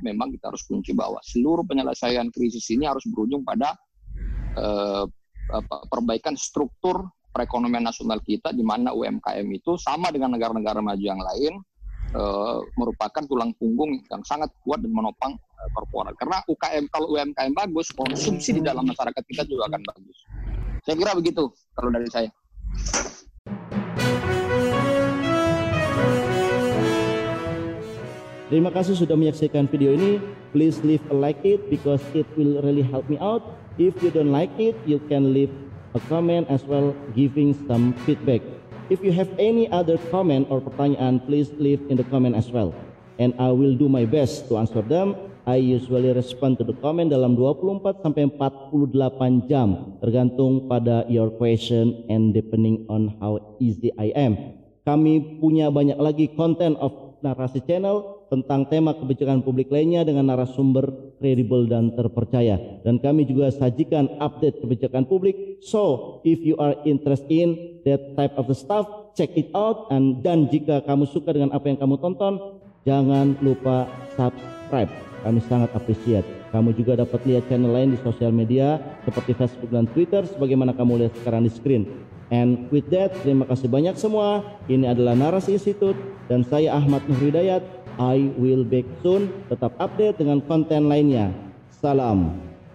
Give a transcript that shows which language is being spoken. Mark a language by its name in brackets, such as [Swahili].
[Indonesian] Memang kita harus kunci bahwa seluruh penyelesaian krisis ini harus berujung pada perbaikan struktur perekonomian nasional kita, di mana UMKM itu sama dengan negara-negara maju yang lain merupakan tulang punggung yang sangat kuat dan menopang korporat. Karena UKM, kalau UMKM bagus, konsumsi di dalam masyarakat kita juga akan bagus. Saya kira begitu kalau dari saya. Terima kasih sudah menyaksikan video ini. [English] Please leave a like it because it will really help me out. If you don't like it, you can leave a comment as well, giving some feedback. If you have any other comment or pertanyaan, please leave in the comment as well. And I will do my best to answer them. I usually respond to the comment [Indonesian] dalam 24 sampai 48 jam, tergantung pada [English] your question and depending on how easy I am. [Indonesian] Kami punya banyak lagi content of Narasi Channel tentang tema kebijakan publik lainnya dengan narasumber kredibel dan terpercaya. Dan kami juga sajikan update kebijakan publik. [English] So, if you are interested in that type of the stuff, check it out. [Indonesian] Dan jika kamu suka dengan apa yang kamu tonton, jangan lupa subscribe. Kami sangat appreciate. Kamu juga dapat lihat channel lain di sosial media seperti Facebook dan Twitter sebagaimana kamu lihat sekarang di screen. [English] And with that, [Indonesian] terima kasih banyak semua. Ini adalah Narasi Institute dan saya Ahmad Nur Hidayat. [English] I will back soon. [Indonesian] Tetap update dengan konten lainnya. Salam.